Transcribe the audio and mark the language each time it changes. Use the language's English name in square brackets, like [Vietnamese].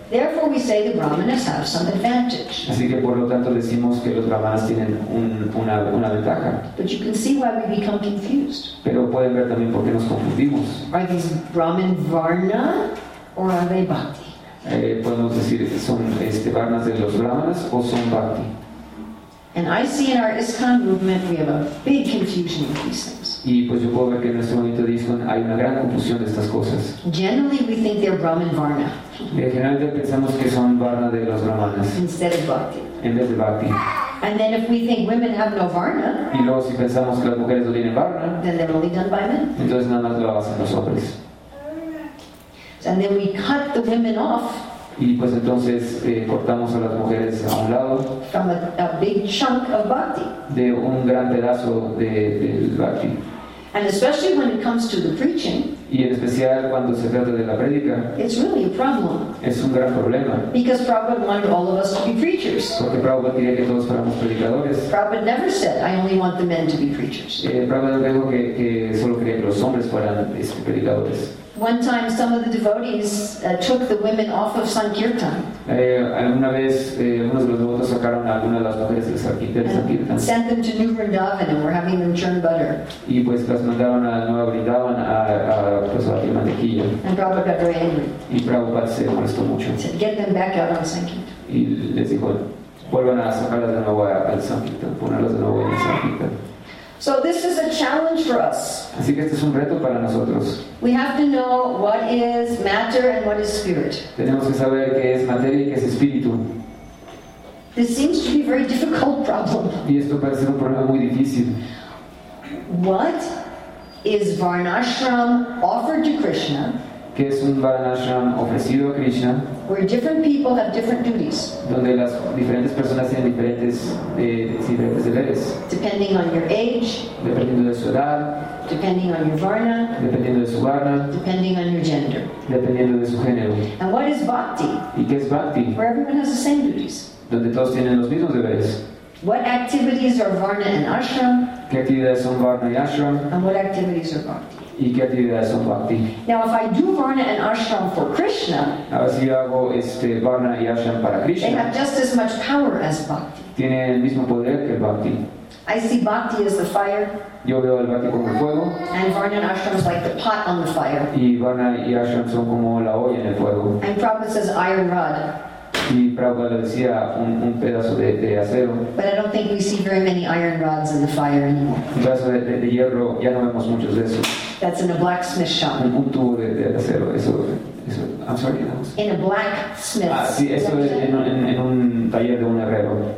[English] Therefore, we say the brahmanas have some advantage. [Spanish] Así que por lo tanto decimos que los brahmanas tienen una ventaja. [English] But you can see why we become confused. [Spanish] Pero pueden ver también por qué nos confundimos. [English] Are these brahmin varna or are they bhakti? [Spanish] Podemos decir son varnas de los brahmanas o son bhakti. [English] And I see in our ISKCON movement we have a big confusion with these things. [Spanish] Y pues yo puedo ver que en este momento de ISKCON hay una gran confusión de estas cosas. [English] Generally we think they're Brahman Varna. [Spanish] Generalmente pensamos que son Varna de los Brahmanas. [English] Instead of Bhakti. [Spanish] En vez de Bhakti. [English] And then if we think women have no Varna. [Spanish] Y luego si pensamos que las mujeres no tienen Varna. [English] Then they're only done by men. [Spanish] Entonces nada más lo hacen los hombres. [English] And then we cut the women off. [Spanish] Y pues entonces cortamos a las mujeres a un lado. [English] From a big chunk of Bhakti. [Spanish] De un gran pedazo de Bhakti. [English] And especially when it comes to the preaching. [Spanish] Y en especial cuando se trata de la predica. [English] It's really a problem. [Spanish] Es un gran problema. [English] Because Prabhupada wanted all of us to be preachers. [Spanish] Porque Prabhupada quería que todos fuéramos predicadores. [English] Prabhupada never said, I only want the men to be preachers. [Spanish] Prabhupada dijo que solo quería que los hombres fueran predicadores. [English] One time some of the devotees took the women off of Sankirtan. [Spanish] Alguna vez unos de los devotos sacaron a algunas de las mujeres del Sankirtan. [English] Sent them to New Vrindavan and were having them churn butter. [Spanish] Y pues las mandaron a Nueva Vrindavan a pues a mantequilla. [English] And Prabhupada got very angry. [Spanish] Y Prabhupada se molestó mucho. [English] He said, get them back out on Sankirtan. [Spanish] Y les dijo, vuelvan a sacarlas de nuevo al Sankirtan, ponerlas de nuevo en el Sankirtan. [English] So this is a challenge for us. [Spanish] Así que este es un reto para nosotros. [English] We have to know what is matter and what is spirit. [Spanish] Tenemos que saber qué es materia y qué es espíritu. [English] This seems to be a very difficult problem. [Spanish] Y esto parece ser un problema muy difícil. [English] What is Varnashram offered to Krishna? [Spanish] ¿Qué es un Varnashram ofrecido a Krishna? [English] Where different people have different duties. [Spanish] Donde las diferentes personas tienen diferentes deberes. [English] Depending on your age. [Spanish] Dependiendo de su edad. [English] Depending on your varna. [Spanish] Dependiendo de su varna. [English] Depending on your gender. [Spanish] Dependiendo de su género. [English] And what is bhakti? [Spanish] ¿Y qué es bhakti? [English] Where everyone has the same duties. [Spanish] Donde todos tienen los mismos deberes. [English] What activities are varna and ashram? [Spanish] ¿Qué actividades son varna y ashram? [English] And what activities are bhakti? [Spanish] ¿Y qué actividades son bhakti? [English] Now, if I do varna and ashram for Krishna, [Spanish] ahora si hago varna y ashram para Krishna, [English] they have just as much power as bhakti. [Spanish] Tiene el mismo poder que el bhakti. [English] I see bhakti as the fire. [Spanish] Yo veo el bhakti como el fuego. [English] And varna and ashram is like the pot on the fire. [Spanish] Y varna y ashram son como la olla en el fuego. [English] And Prabhupada says iron rod. [Spanish] Y Prabhupada decía un pedazo de acero. [English] But I don't think we see very many iron rods in the fire anymore. [Spanish] Un pedazo de hierro ya no vemos muchos de esos. [English] That's in a blacksmith shop. [Spanish] Un tubo de acero, eso. [English] I'm sorry. In a blacksmith. [Spanish] Ah, sí, eso es en un taller de un herrero.